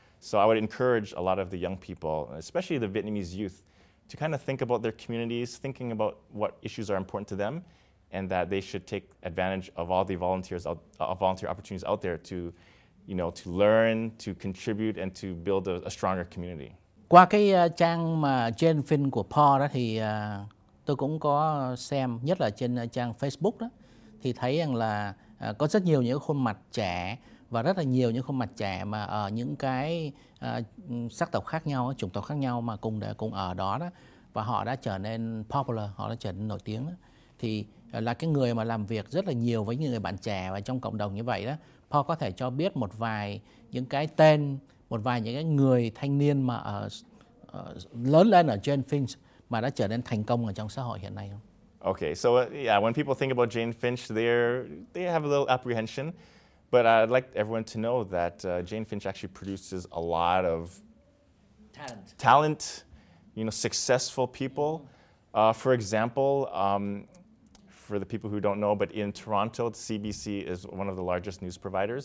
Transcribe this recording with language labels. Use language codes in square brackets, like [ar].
[en] So I would encourage a lot of the young people, especially the Vietnamese youth, to kind of think about their communities, thinking about what issues are important to them, and that they should take advantage of all the volunteer opportunities out there to learn, to contribute, and to build a stronger community. [vi] Qua cái trang mà trên fin của Paul đó thì tôi cũng có xem, nhất là trên trang Facebook đó, thì thấy rằng là có rất nhiều những khuôn mặt trẻ, và rất là nhiều những khuôn mặt trẻ mà ở những cái sắc tộc khác nhau, chủng tộc khác nhau mà cùng ở đó đó, và họ đã trở nên popular, họ đã trở nên nổi tiếng đó. Thì là cái người mà làm việc rất là nhiều với những người bạn trẻ và trong cộng đồng như vậy đó, Paul có thể cho biết một vài những cái tên, một vài những cái người thanh niên mà lớn lên ở trên Finch mà đã trở nên thành công ở trong xã hội hiện nay không? [en] Okay, so yeah, when people think about Jane Finch, they have a little apprehension, but I'd like everyone to know that Jane Finch actually produces a lot of talent, you know, successful people. For example, for the people who don't know, but in Toronto, CBC is one of the largest news providers.